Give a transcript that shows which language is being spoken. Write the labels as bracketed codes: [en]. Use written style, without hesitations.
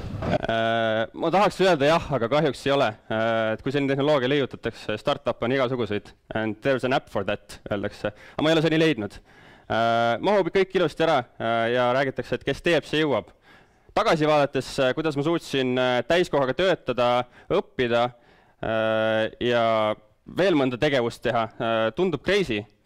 [et] Ma tahaks öelda jah, aga kahjuks ei ole. Kui selline tehnoloogia leiutatakse, startup on igasuguseid. [en] And there's an app for that, [et] öeldakse. Aga ma ei ole see nii leidnud. Mahub kõik ilusti ära ja räägitakse, et kes teeb, see jõuab. Tagasi vaadates, kuidas ma suutsin täiskohaga töötada, õppida ja veel mõnda tegevust teha, tundub crazy.